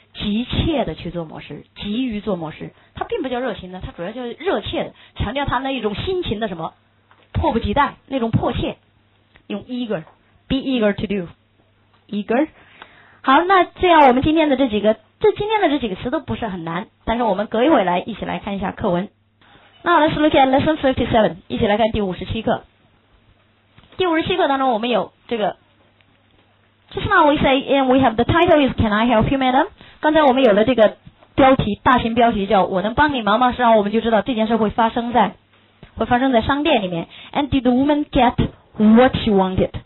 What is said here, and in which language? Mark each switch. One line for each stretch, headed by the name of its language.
Chinese: 急切的去做模式，急于做模式，它并不叫热情的，它主要叫热切的，强调它那一种心情的什么迫不及待，那种迫切，用
English: eager， be eager to do， eager。
Chinese: 好，那这样我们今天的这几个词都不是很难，但是我们隔一会来一起来看一下课文。
English: Now let's look at lesson 57，
Chinese: 一起来看第57课。第57课当中我们有这个
English: Just now we say and we have the title is Can I help you madam？
Chinese: 刚才我们有了这个标题，大型标题叫我能帮你忙吗，实际上我们就知道这件事会发生在商店里面。
English: And did the woman get what she wanted？